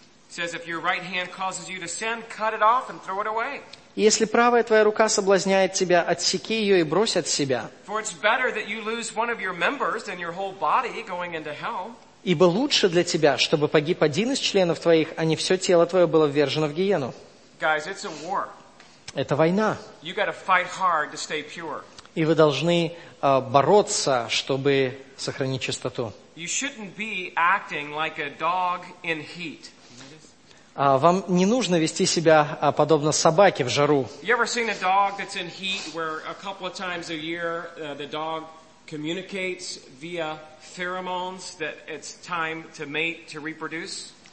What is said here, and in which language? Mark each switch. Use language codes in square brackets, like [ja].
[en] Says if your right hand causes you to sin, cut it off and throw it away. [ru] Если правая твоя рука соблазняет тебя, отсеки ее и брось от себя. [en] For it's better that you lose one of your members than your whole body going into hell. [ru] Ибо лучше для тебя, чтобы погиб один из членов твоих, а не все тело твое было ввержено в гиену. [en] Guys, it's a war. [ru] Это война. [en] You got to fight hard to stay pure. [ru] И вы должны бороться, чтобы сохранить чистоту. [en] You shouldn't be acting like a dog in heat. [ru] Вам не нужно вести себя подобно собаке в жару. [en] You ever seen a dog that's in heat where a couple of times a year the dog communicates via pheromones that it's time to mate, to reproduce?